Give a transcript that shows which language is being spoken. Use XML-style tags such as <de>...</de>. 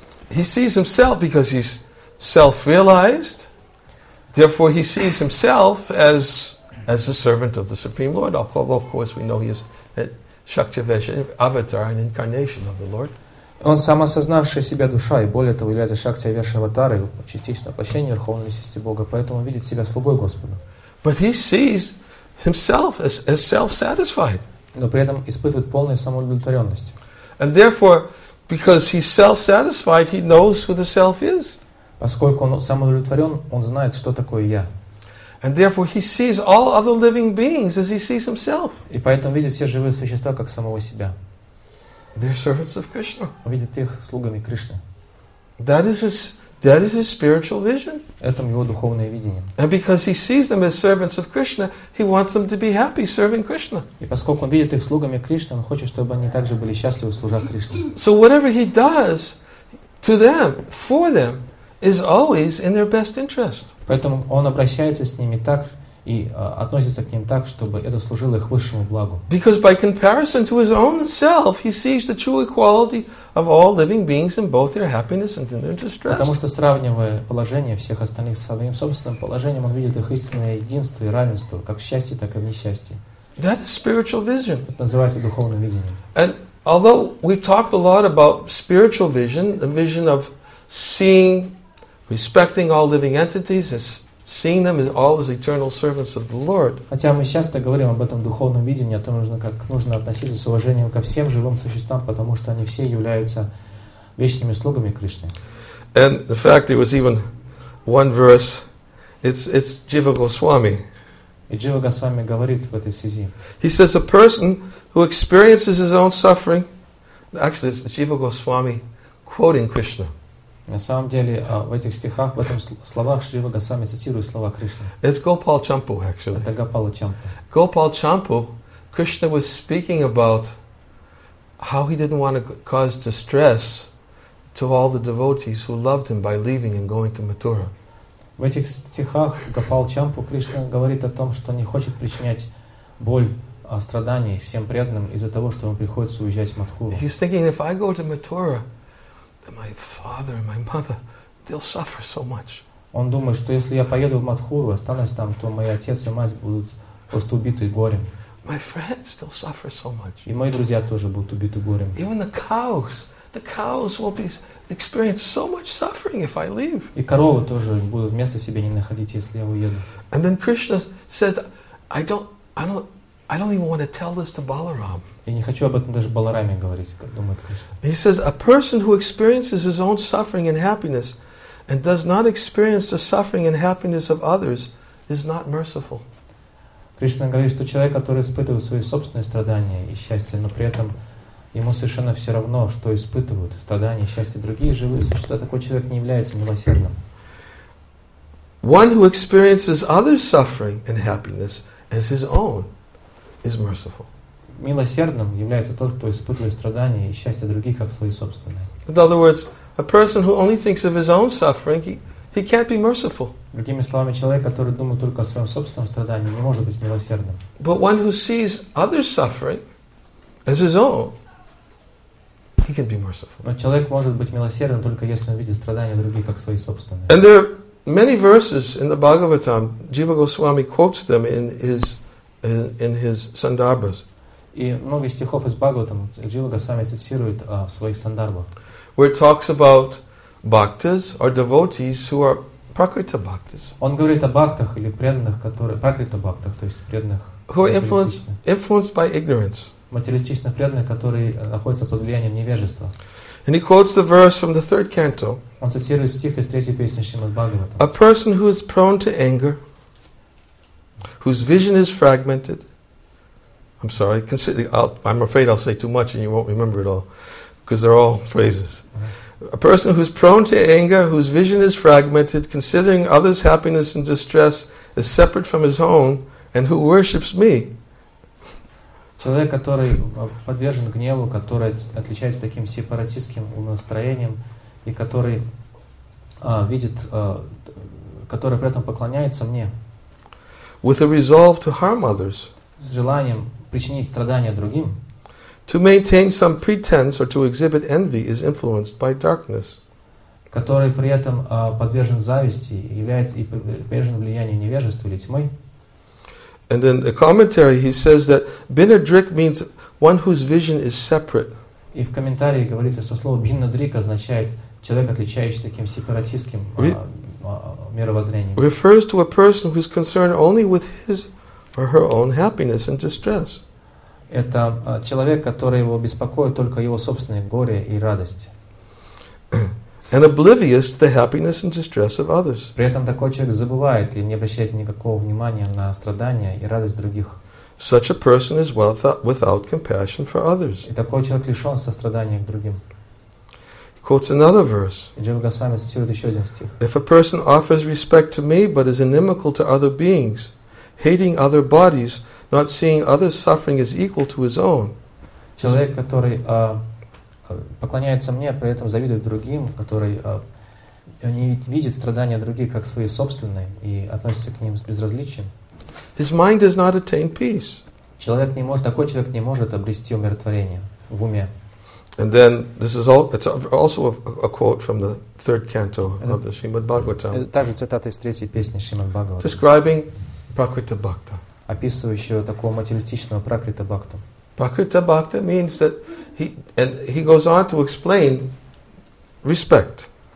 <en>He sees himself because he's self-realized. Therefore, he sees himself as the servant of the Supreme Lord. Although, of course, we know he is Shaktivesh avatar, an incarnation of the Lord.</en> <ru>Он сам осознавший себя душа, и более того, является Шакти Аверши Аватарой, частичное воплощение Верховной Личности Бога, поэтому видит себя слугой Господа.</ru> <en>But he sees himself as self-satisfied.</en> <ru>Но при этом испытывает полную самоудовлетворенность.</ru> <en>And therefore, because he's self-satisfied, he knows who the self is.</en> <ru>Поскольку он самоудовлетворен, он знает, что такое «я».</ru> <en>And therefore he sees all other living beings as he sees himself.</en> <ru>И поэтому видит все живые существа, как самого себя.</ru> <en>They're servants of Krishna.</en> <ru>Увидит их слугами Кришны.</ru> <en>That is his spiritual vision.</en> <ru>Это его духовное видение.</ru> <en>And because he sees them as servants of Krishna, he wants them to be happy serving Krishna.</en> <ru>И поскольку он видит их слугами Кришны, он хочет, чтобы они также были счастливы, служа Кришне.</ru> <en>So whatever he does to them, for them, is always in their best interest.</en> <ru>Поэтому он обращается с ними так и относится к ним так, чтобы это служило их высшему благу.</ru> <en>Because by comparison to his own self, he sees the true equality of all living beings in both their happiness and in their distress.</en> <ru>Потому что сравнивая положение всех остальных с своим собственным положением, он видит их истинное единство и равенство, как в счастье, так и в несчастье.</ru> <en>That is spiritual vision.</en> <ru>Это называется духовное видение.</ru> <en>And although we've talked a lot about spiritual vision, the vision of seeing, respecting all living entities as seeing them as all as eternal servants of the Lord.</en> <ru>Хотя мы часто говорим об этом духовном видении, о том, как нужно относиться с уважением ко всем живым существам, потому что они все являются вечными слугами Кришны.</ru> <en>And the fact it was even one verse, it's Jiva Goswami.</en> <ru>И Джива Госвами говорит в этой связи.</ru> <en>He says a person who experiences his own suffering, actually it's Jiva Goswami quoting Krishna.</en> <ru>На самом деле, в этих стихах, в этом словах Шрива Госвами цитирует слова Кришны.</ru> <en>It's Gopal Champu, actually.</en> <ru>Это Гопала Чампа.</ru> <en>Gopal Champu, Krishna was speaking about how he didn't want to cause distress to all the devotees who loved him by leaving and going to Mathura.</en> <ru>В этих стихах Гопал Чампу Кришна говорит о том, что не хочет причинять боль, страданий всем преданным из-за того, что ему приходится уезжать в Матхуру.</ru> <en>He's thinking, if I go to Mathura, my father and my mother, they'll suffer so much.</en> <ru>Он думает, что если я поеду в Матхуру, останусь там, то мои отец и мать будут просто убиты горем.</ru> <en>My friends, they'll suffer so much.</en> <ru>И мои друзья тоже будут убиты горем.</ru> <en>Even the cows will be experience so much suffering if I leave.</en> <ru>И коровы тоже будут места себе не находить, если я уеду.</ru> <en>And then Krishna said, I don't even want to tell this to Balaram.</en> <ru>Я не хочу об этом даже Балараме говорить, думает Кришна.</ru> <en>He says, a person who experiences his own suffering and happiness and does not experience the suffering and happiness of others is not merciful.</en> <ru>Кришна говорит, что человек, который испытывает свои собственные страдания и счастье, но при этом ему совершенно все равно, что испытывают страдания и счастье другие живые существа, такой человек не является милосердным.</ru> <en>One who experiences others' suffering and happiness as his own is merciful.</en> <ru>Милосердным является тот, кто испытывает страдания и счастье других, как свои собственные.</ru> <en>In other words, a person who only thinks of his own suffering, he can't be merciful.</en> <ru>Другими словами, человек, который думает только о своем собственном страдании, не может быть милосердным.</ru> <en>But one who sees others' suffering as his own, he can be merciful.</en> <ru>Но человек может быть милосердным только если он видит страдания других, как свои собственные.</ru> <en>And there are many verses in the Bhagavatam. Jiva Goswami quotes them in his Sandarbhas.</en> <ru>И много стихов из Бхагаватам Джива Госвами цитирует в своих сандарбах.</ru> <en>Where it talks about bhaktas or devotees who are prakrita bhaktas.</en> <ru>Он говорит о бхактах или преданных, которые prakrita bhaktas, то есть преданных.</ru> <en>Who are influenced by ignorance.</en> <ru>Материалистично преданные, которые находятся под влиянием невежества.</ru> <en>And he quotes the verse from the third canto.</en> <ru>Он цитирует стих из третьей песни Шримад Бхагаватам.</ru> <en>A person who is prone to anger, whose vision is fragmented. I'm sorry, I'm afraid I'll say too much and you won't remember it all, because they're all phrases. Mm-hmm. A person who's prone to anger, whose vision is fragmented, considering others' happiness and distress is separate from his own, and who worships me.</en> <ru>Человек, который подвержен гневу, который отличается таким сепаратистским настроением, и который видит, который при этом поклоняется мне.</ru> <en>With a resolve to harm others.</en> <ru>С желанием причинить страдания другим.</ru> <en>To maintain some pretense or to exhibit envy is influenced by darkness.</en> <ru>Который при этом подвержен зависти, является и подвержен влиянию невежества или тьмы.</ru> <en>And in the commentary he says that binadrik means one whose vision is separate.</en> <ru>И в комментарии говорится, что слово binadrik означает человек, отличающийся таким сепаратистским мировоззрением.</ru> <en>Refers to a person who is concerned only with his or her own happiness and distress.</en> <ru>Это человек, который его беспокоит только его собственное горе и радость.</ru> <en>And oblivious to the happiness and distress of others.</en> <ru>При этом такой человек забывает и не обращает никакого внимания на страдания и радость других.</ru> <en>Such a person is without compassion for others.</en> <ru>И такой человек лишен сострадания к другим.</ru> <en>Quotes another verse. If a person offers respect to me but is inimical to other beings, hating other bodies, not seeing others' suffering as equal to his own.</en> <ru>Человек, который поклоняется мне, при этом завидует другим, который не видит страдания других как свои собственные и относится к ним с безразличием.</ru> <en>His mind does not attain peace.</en> <ru>Человек не может, такой человек не может обрести умиротворение в уме.</ru> <en>And then this is all. It's also a quote from the third canto of the Srimad Bhagavatam.</en> <ru>Также цитата из третьей песни Шримад Бхагаватам.</ru> <en>Describing Prakriti Bhakta.</en> <ru>Описывающего такого материалистичного Пракрита Бхакту.</ru> <en>Prakriti Bhakta means that he goes on to explain respect.</en>